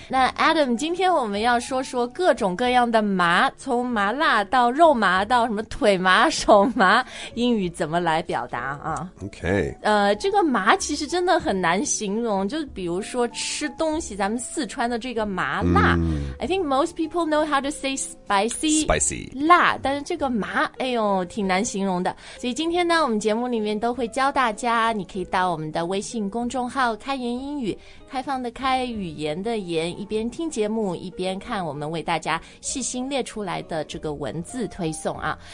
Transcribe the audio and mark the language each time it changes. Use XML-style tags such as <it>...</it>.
<zh>那 Adam， 今天我们要说说各种各样的麻，从麻辣到肉麻到什么腿麻、手麻，英语怎么来表达啊</zh> <en>？Okay.</en> <zh>这个麻其实真的很难形容，就比如说吃东西，咱们四川的这个麻辣。</zh> <en>I think most people know how to say spicy. Spicy.</en> <zh>辣，但是这个麻，哎呦，挺难形容的。所以今天呢，我们节目里面都会教大家，你可以到我们的微信公众号开言英语，开放的开，语言的言，一边听节目一边看我们为大家细心列出来的这个文字推送啊。</zh>